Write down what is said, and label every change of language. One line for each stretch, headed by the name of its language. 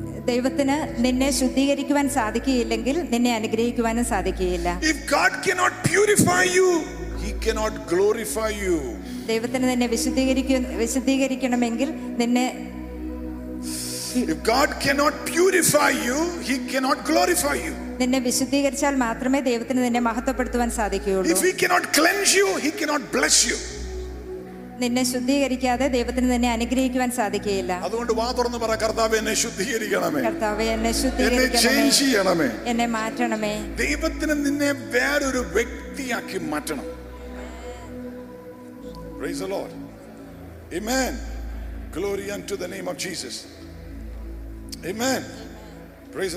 Malayalam: ദൈവത്തിന് നിന്നെ ശുദ്ധീകരിക്കുവാൻ സാധിക്കുകയില്ലെങ്കിൽ നിന്നെ അനുഗ്രഹിക്കുവാനും സാധിക്കുകയില്ല.
English: If God cannot purify you, he cannot glorify you.
Malayalam: ദൈവത്തിന് നിന്നെ വിശുദ്ധീകരിക്കണമെങ്കിൽ നിന്നെ
English: If God cannot purify you, he cannot glorify you.
Malayalam: നിന്നെ വിശുദ്ധീകരിച്ചാൽ മാത്രമേ ദൈവത്തിന് നിന്നെ മഹത്വപ്പെടുത്തുവാൻ സാധിക്കുകയുള്ളൂ.
English: If he cannot cleanse you, he cannot bless you.
Malayalam: നിന്നെ ശുദ്ധീകരിക്കാതെ ദൈവത്തിന് നിന്നെ അനുഗ്രഹിക്കുവാൻ സാധിക്കുകയില്ല. അതുകൊണ്ട് വാ തുറന്ന് പറ, കർത്താവേ എന്നെ ശുദ്ധീകരിക്കണമേ, കർത്താവേ എന്നെ ശുദ്ധീകരിക്കണമേ, എന്നെ ചേഞ്ച് ചെയ്യണമേ, എന്നെ മാറ്റണമേ. ദൈവത്തിന് നിന്നെ വേറൊരു വ്യക്തിയാക്കി മാറ്റണം.
English: Praise the Lord. Amen. Glory unto the name of Jesus. Amen. Praise.